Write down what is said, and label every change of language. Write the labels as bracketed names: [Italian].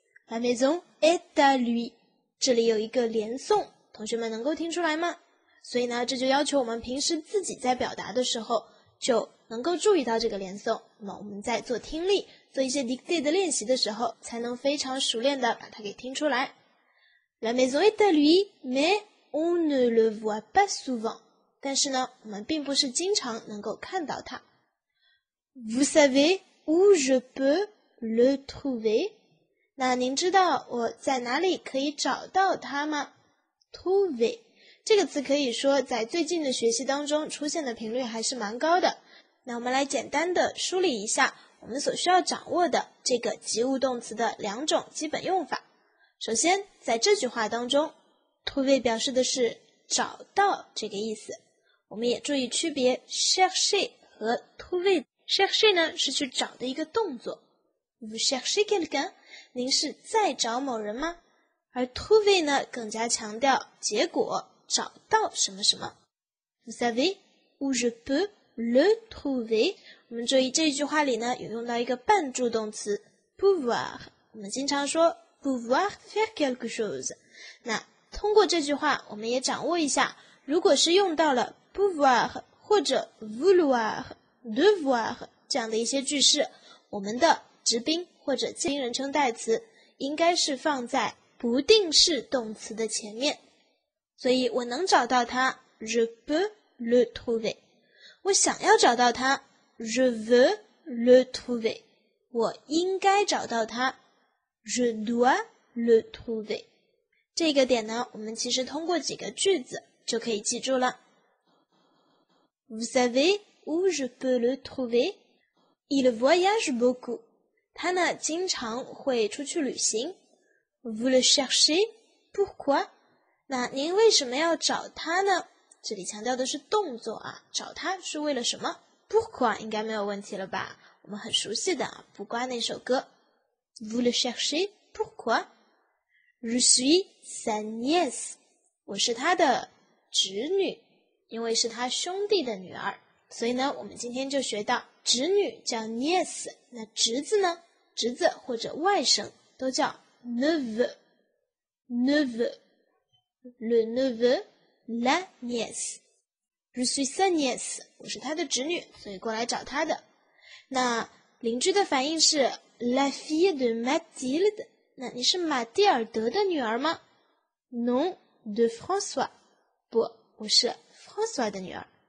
[French] La maison est à lui. [Chinese] 这里有一个连诵，同学们能够听出来吗？所以呢，这就要求我们平时自己在表达的时候就能够注意到这个连诵，那么我们在做听力做一些 dictée 的练习的时候才能非常熟练的把它给听出来。 [French] La maison est à lui, mais on ne le voit pas souvent. [Chinese] 但是呢，我们并不是经常能够看到它。 [French] Vous savez où je peux le trouver? [Chinese] 那您知道我在哪里可以找到它吗？ trouver这个词可以说在最近的学习当中出现的频率还是蛮高的。那我们来简单的梳理一下我们所需要掌握的这个及物动词的两种基本用法。首先在这句话当中， trouver 表示的是找到这个意思。我们也注意区别 chercher 和 trouver。 chercher 呢是去找的一个动作。 [French] Vous cherchez quelqu'un? [Chinese] 您是在找某人吗？而 trouver 呢更加强调结果，找到什么什么。 [French] Vous savez où je peux le trouver? [Chinese] 我们注意这一句话里呢有用到一个半助动词 pouvoir。我们经常说 [French] pouvoir faire quelque chose。 [Chinese] 那通过这句话我们也掌握一下，如果是用到了 pouvoir 或者 vouloir devoir 这样的一些句式，我们的直宾或者介宾人称代词应该是放在不定式动词的前面。所以我能找到他 [French] je peux le trouver， [Chinese] 我想要找到他 [French] je veux le trouver， [Chinese] 我应该找到他 [French] Je dois le trouver. [Chinese] 这个点呢，我们其实通过几个句子就可以记住了。 [French] Vous savez où je peux le trouver? Il voyage beaucoup. [Chinese] 他呢，经常会出去旅行。 [French] Vous le cherchez? Pourquoi? [Chinese] 那您为什么要找他呢？这里强调的是动作啊，找他是为了什么？Pourquoi 应该没有问题了吧？我们很熟悉的啊，不挂那首歌。 [French] Vous le cherchez? Pourquoi? Je suis sa nièce. [Chinese] 我是他的侄女，因为是他兄弟的女儿。所以呢，我们今天就学到侄女叫 nièce， 那侄子呢？侄子或者外甥都叫 neveu。 neveu。 [French] Le neveu, la nièce. Je suis sa nièce. [Chinese] 我是他的侄女，所以过来找他的。那邻居的反应是 [French] La fille de Mathilde. [Chinese] 那你是马蒂尔德的女儿吗？ [French] Non, de François. [Chinese] 不，我是 François 的女儿。